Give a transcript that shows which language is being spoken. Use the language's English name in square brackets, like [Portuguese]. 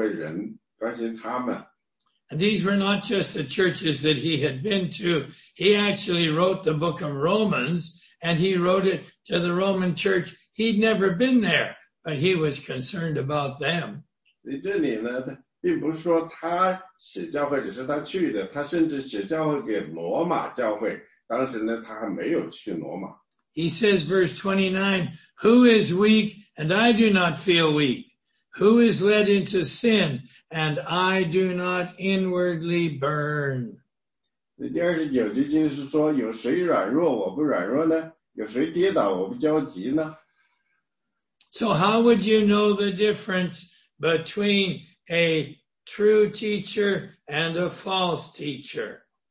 [Chinese] 所以他说呢，我不光是关心你们哥林多教会的人，我关心世界上所有的教会的，所有的教会人，关心他们。And [English] these were not just the churches that he had been to. He actually wrote the book of Romans, and he wrote it to the Roman church. He'd never been there, but he was concerned about them. [Chinese] 所以这里呢，并不是说他写教会只是他去的，他甚至写教会给罗马教会。当时呢，他还没有去罗马。 [English] He says, verse 29, Who is weak and I do not feel weak? Who is led into sin and I do not inwardly burn? [Chinese] 第29节经是说, 有谁软弱我不软弱呢? 有谁跌倒我不焦急呢? [English] So how would you know the difference between a true teacher and a false teacher?